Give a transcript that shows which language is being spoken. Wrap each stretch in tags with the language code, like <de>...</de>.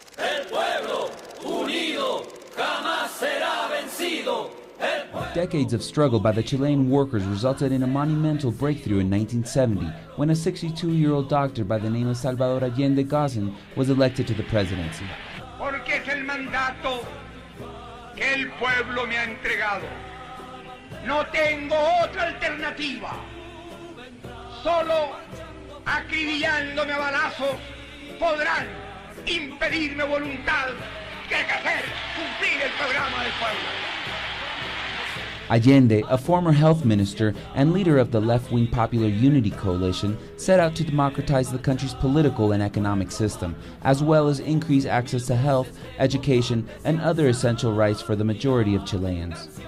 <es>El pueblo unido jamás será vencido.</es> <en>Decades of struggle by the Chilean workers resulted in a monumental breakthrough in 1970 when a 62-year-old doctor by the name of Salvador Allende Gazan was elected to the presidency.</en> <es>Porque es el mandato que el pueblo me ha entregado. No tengo otra alternativa. Solo acribillándome a balazos podrán impedirme voluntad que hacer cumplir el programa del pueblo.</es> <en>Allende, a former health minister and leader of the left-wing Popular Unity Coalition, set out to democratize the country's political and economic system, as well as increase access to health, education, and other essential rights for the majority of Chileans.</en>